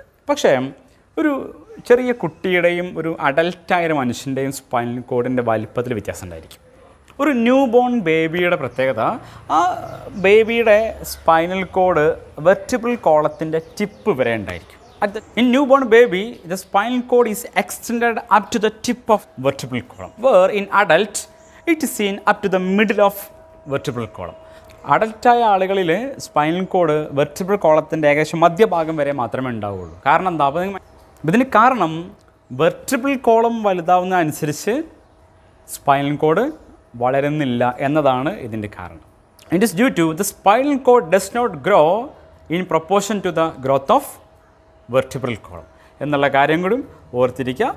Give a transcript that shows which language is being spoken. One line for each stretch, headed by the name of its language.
Malayalam: പക്ഷേ ഒരു ചെറിയ കുട്ടിയുടെയും ഒരു അഡൽട്ടായൊരു മനുഷ്യൻ്റെയും സ്പൈനൽ കോഡിൻ്റെ വലിപ്പത്തിൽ വ്യത്യാസം ഉണ്ടായിരിക്കും. ഒരു ന്യൂ ബോൺ ബേബിയുടെ പ്രത്യേകത, ആ ബേബിയുടെ സ്പൈനൽ കോഡ് വെർട്ടിബ്രൽ കോളത്തിൻ്റെ ടിപ്പ് വരെ ഉണ്ടായിരിക്കും.
English: At the, in newborn baby, the spinal cord is extended up to the tip of vertebral column, where in adult, it is seen up to the middle of vertebral column.
Malayalam: അഡൽറ്റായ ആളുകളിൽ spinal cord vertebral കോളത്തിൻ്റെ ഏകദേശം മധ്യഭാഗം വരെ മാത്രമേ ഉണ്ടാവുകയുള്ളൂ. കാരണം എന്താ? ഇതിന് കാരണം വെർട്ടിബ്രൽ കോളം വലുതാവുന്ന അനുസരിച്ച് സ്പൈനൽ കോഡ് വളരുന്നില്ല എന്നതാണ് ഇതിൻ്റെ കാരണം.
English: it is due to the spinal cord does not grow in proportion to the growth of vertebral column
Malayalam: എന്നുള്ള കാര്യം കൂടി ഓർത്തിരിക്കുക.